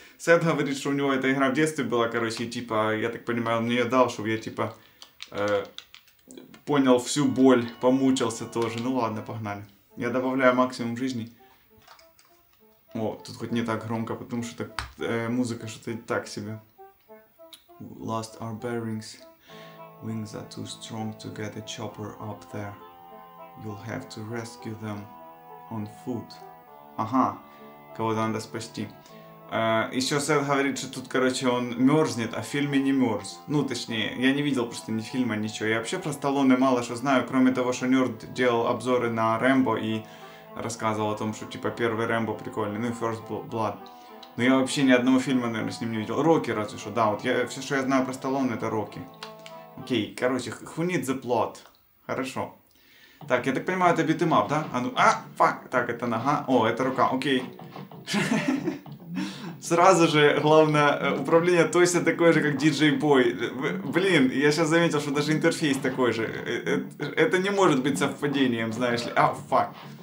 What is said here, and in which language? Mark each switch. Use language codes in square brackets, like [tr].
[ru] Сет говорит, что у него эта игра в детстве была, короче, и, типа, я так понимаю, он мне ее дал, чтобы я, типа, понял всю боль, помучился тоже. Ну ладно, погнали. Я добавляю максимум жизни. О, тут хоть не так громко, потому что так, музыка что-то так себе. [en] Lost our bearings. Wings are too strong to get a chopper up there. You'll have to rescue them on foot. [ru] Ага, кого-то надо спасти. Еще Сет говорит, что тут, короче, он мерзнет, а в фильме не мерз. Ну, точнее, я не видел просто ни фильма, ничего. Я вообще про Сталлоне мало что знаю, кроме того, что Нёрд делал обзоры на Рэмбо и рассказывал о том, что, типа, первый Рэмбо прикольный, ну и First Blood. Но я вообще ни одного фильма, наверное, с ним не видел. Рокки разве что, да, вот я, все, что я знаю про Сталлоне, это Рокки. Окей, короче, [en] who needs a plot? [ru] Хорошо. Так, я так понимаю, это beat'em up, да? А ну, а, фак, так, это нога, о, это рука, окей. Сразу же, главное, управление точно такое же, как DJ Boy. Блин, я сейчас заметил, что даже интерфейс такой же. Это не может быть совпадением, знаешь ли. А, фак.